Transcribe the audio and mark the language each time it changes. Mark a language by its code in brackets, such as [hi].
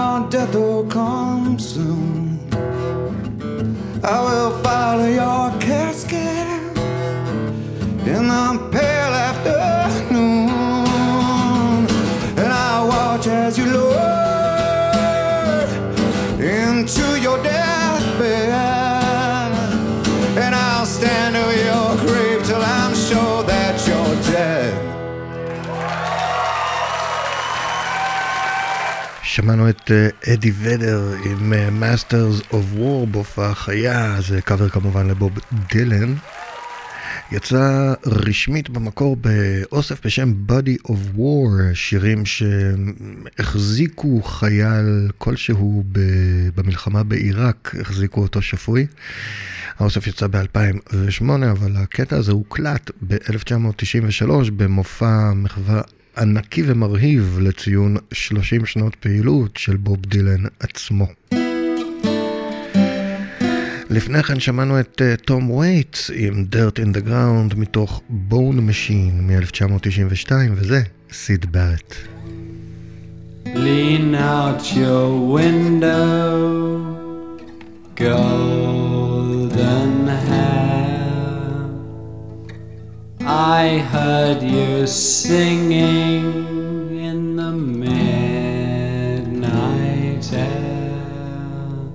[en] Death will come soon. I will follow your casket in the pale afternoon, and I'll watch as you lower into your deathbed, and I'll stand over your grave till I'm sure that you're dead. [he] שמענו את אדי ודר עם Masters of War בהופעה חיה, זה קאבר כמובן לבוב דילן. יצא רשמית במקור באוסף בשם Body of War, שירים שהחזיקו חייל כלשהו במלחמה בעיראק, החזיקו אותו שפוי. האוסף יצא ב-2008, אבל הקטע הזה הוקלט ב-1993 במופע מחווה ענקי ומרהיב לציון 30 שנות פעילות של בוב דילן עצמו. לפני כן שמענו את טום וייטס עם Dirt in the Ground מתוך Bone Machine מ-1992, וזה סיד ברט. [en] Lean out your window, golden hair. I heard you singing in the midnight air.